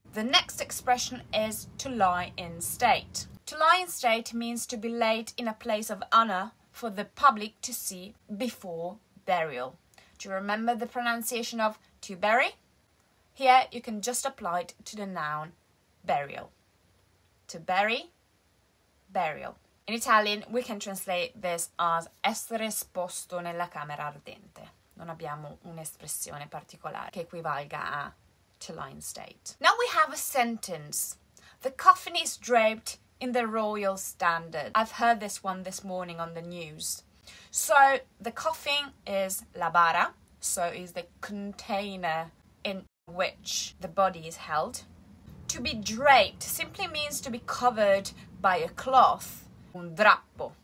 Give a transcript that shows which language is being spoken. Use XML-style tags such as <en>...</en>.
<en>The next expression is to lie in state. To lie in state means to be laid in a place of honour for the public to see before burial. Do you remember the pronunciation of to bury? Here you can just apply it to the noun burial. To bury, burial. In Italian, we can translate this as</en> <it>essere esposto nella camera ardente. Non abbiamo un'espressione particolare che equivalga a to lie in state.</it> <en>Now we have a sentence. The coffin is draped in the royal standard. I've heard this one this morning on the news. So the coffin is la bara, so is the container in which the body is held. To be draped simply means to be covered by a cloth. Un drappo.</en>